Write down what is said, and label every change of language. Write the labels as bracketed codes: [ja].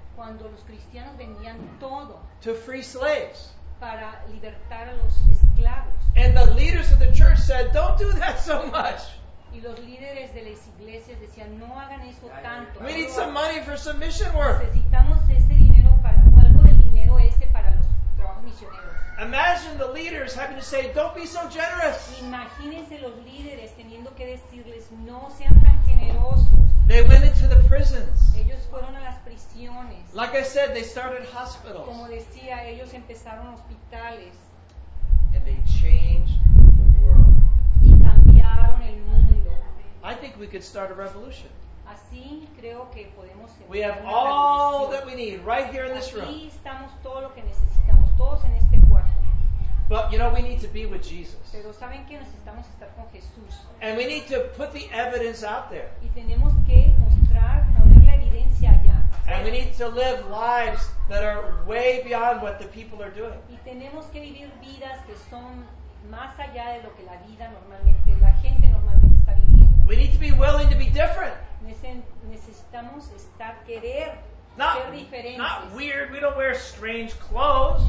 [es] Cuando los cristianos vendían todo [en] to free slaves. [es] Para libertar a los esclavos. [en] And the leaders of the church said, don't do that so much. [es] Y los líderes de las iglesias decían, no hagan eso tanto. [en] We need some money for some mission work. [es] Necesitamos ese dinero para, o algo del dinero ese para los trabajos misioneros. [en] Imagine the leaders having to say, don't be so generous. [es] Imagínense los líderes teniendo que decirles, no sean tan generosos. [en] They went into the prisons. [es] Ellos fueron a las prisiones. [en] Like I said, they started hospitals. [es] Como decía, ellos empezaron hospitales. [en] And they changed the world. [es] Y cambiaron el mundo. [en] I think we could start a revolution. [es] Así creo que podemos empezar. [en] We have all that we need right here in this room. [es] Aquí estamos todo lo que necesitamos, todos en este cuarto. [en] But you know, we need to be with Jesus. [es] Pero saben que necesitamos estar con Jesús. [en] And we need to put the evidence out there. [es] Y tenemos que mostrar, poner la evidencia allá. [en] And we need to live lives that are way beyond what the people are doing. [es] Y tenemos que vivir vidas que son más allá de lo que la vida normalmente, la gente normalmente está viviendo. [en] We need to be willing to be different. [es] Necesitamos estar querer ser diferentes. [en] Not weird. We don't wear strange clothes.